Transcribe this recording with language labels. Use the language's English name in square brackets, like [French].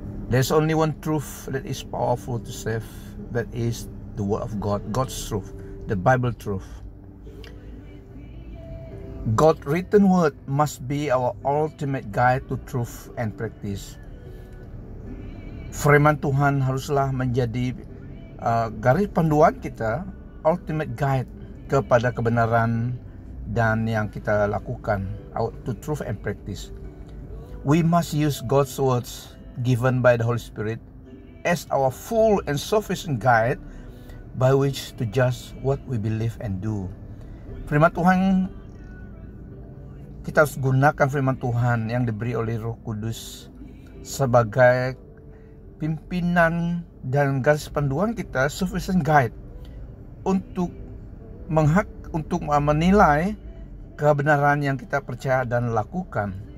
[English] There's only one truth that is powerful to save. That is the word of God. God's truth. The Bible truth. God's written word must be our ultimate guide to truth and practice. [Malay] Firman Tuhan haruslah menjadi garis panduan kita. [English] Ultimate guide [Malay] kepada kebenaran dan yang kita lakukan, [English] out to truth and practice. We must use God's words given by the Holy Spirit as our full and sufficient guide by which to judge what we believe and do. [Malay] Firman Tuhan, kita harus gunakan firman Tuhan yang diberi oleh Roh Kudus sebagai pimpinan dan garis panduan kita, sufficient guide untuk untuk menilai kebenaran yang kita percaya dan lakukan.